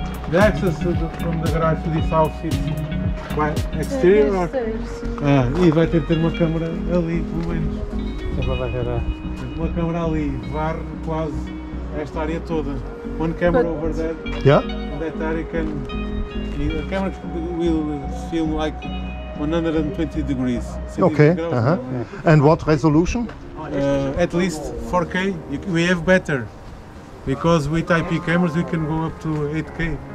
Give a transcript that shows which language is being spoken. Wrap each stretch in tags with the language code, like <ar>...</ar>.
<en>The access from the garage to this house is quite exterior. Yes,</en> <pt>vai ter uma câmera ali, pelo menos. Uma câmera ali, varre quase esta área toda.</pt> <en>One camera over there. Yeah? That area can, the camera will feel like 120 degrees. Okay. Uh-huh. And what resolution? At least 4K. We have better, because with IP cameras we can go up to 8K.</en>